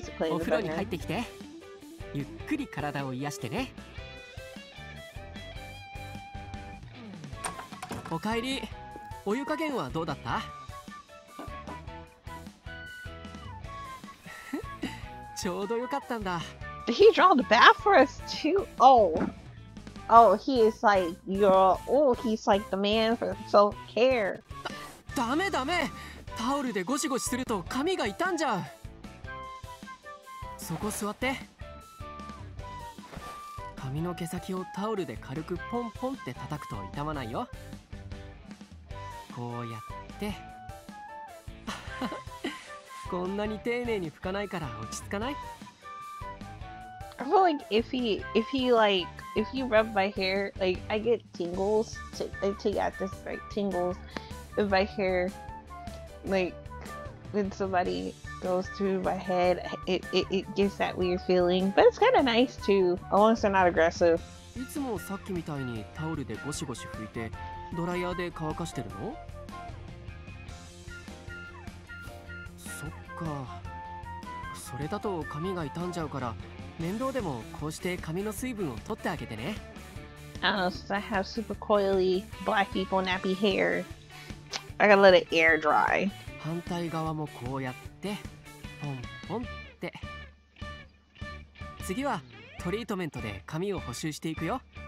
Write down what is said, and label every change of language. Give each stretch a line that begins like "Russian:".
Japanese: お風呂に入ってきて、ゆっくり体を癒してね。おかえり。お湯加減はどうだった？ちょうどよかったんだ。
English: Did he draw the bath for us too? Oh, oh, he is like your, oh, he's like the man for self care.
Japanese: ダメダメ。タオルでゴシゴシすると髪が傷んじゃう。そこ座って。髪の毛先をタオルで軽くポンポンって叩くと痛まないよ。こうやってこんなに丁寧に拭かないから落ち着かない。
English: I feel like if you rub my hair, like I get tingles to get this like tingles in my hair, like when somebodygoes through my head, it gets that weird feeling, but it's kind of nice too, as long as they're not aggressive.
Japanese: いつもさっきみたいにタオルでゴシゴシ拭いてドライヤーで乾かしてるの？そっか、それだと髪が傷んじゃうから面倒でもこうして髪の水分を取ってあげてね。
English: I have super coily black people nappy hair. I gotta let it air dry.
Japanese: 反対側もこうやってポンポンって。次はトリートメントで髪を補修していくよ。